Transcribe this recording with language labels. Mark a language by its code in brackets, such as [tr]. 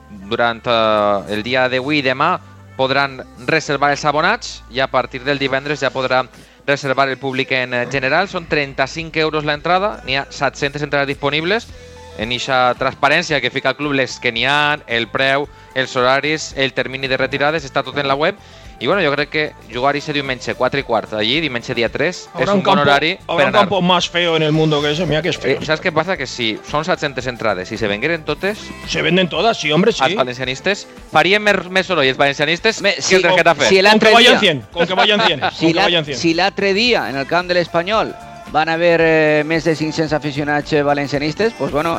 [ca] Durant el dia d'avui i demà podran reservar els abonats, i a partir del divendres ja podrà reservar el públic en general. Són 35 euros l'entrada, n'hi ha 700 entrades disponibles. En eixa transparència que fica el club, les que n'hi ha, el preu, els horaris, el termini de retirades, està tot en la web. I bueno, jo crec que jugar ixe diumenge 4:15 allí, diumenge dia 3, és un bon horari per anar. [es] Habrá un campo más feo en el mundo que ese, mira que es feo. [ca] Saps què passa? Que si són 700 entrades i se vengueren totes... [es] Se venden todas, sí, hombre, sí. [ca] Els valencianistes farien més soroll, els valencianistes, que el Getafe. Si l'altre dia... [es] Con que vayan 100. [ca] Si l'altre dia, en el camp de l'Espanyol, van a haber més de 500 aficionats valencianistes, pues bueno,